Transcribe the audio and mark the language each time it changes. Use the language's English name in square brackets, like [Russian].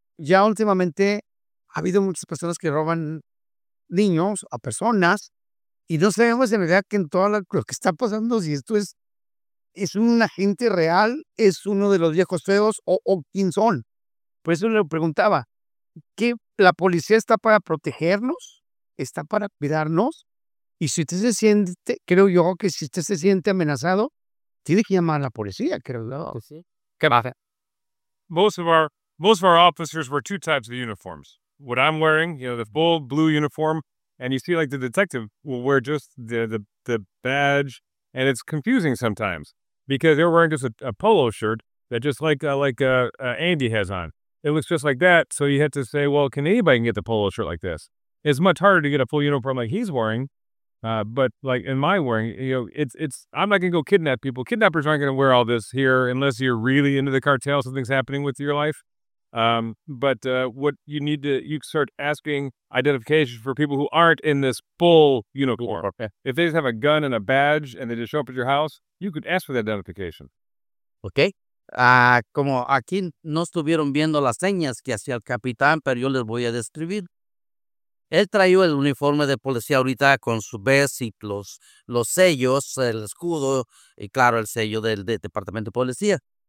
[Spanish] Ya últimamente ha habido muchas personas que roban niños a personas y no sabemos en realidad que en todo lo que está pasando, si esto es un agente real, es uno de los viejos feos o quién son. Por eso le preguntaba, ¿qué la policía está para protegernos? ¿Está para cuidarnos? Y si usted se siente, creo yo que si usted se siente amenazado, tiene que llamar a la policía, creo yo. Sí, sí. ¿Qué más? [English] Most of our officers wear two types of uniforms. What I'm wearing, you know, the full blue uniform, and you see like the detective will wear just the badge, and it's confusing sometimes because they're wearing just a polo shirt that just like Andy has on. It looks just like that, so you have to say, well, can anybody get the polo shirt like this? It's much harder to get a full uniform like he's wearing, but like in my wearing, you know, it's I'm not going to go kidnap people. Kidnappers aren't going to wear all this here unless you're really into the cartel, something's happening with your life. What you need to, you start asking identification for people who aren't in this full uniform. Okay. If they just have a gun and a badge and they just show up at your house, you could ask for the identification. Okay. [Spanish] Como aquí no estuvieron viendo las señas que hacía el capitán, pero yo les voy a describir. Él trajo el uniforme de policía ahorita con su vest y los sellos, el escudo y claro, el sello del departamento de policía.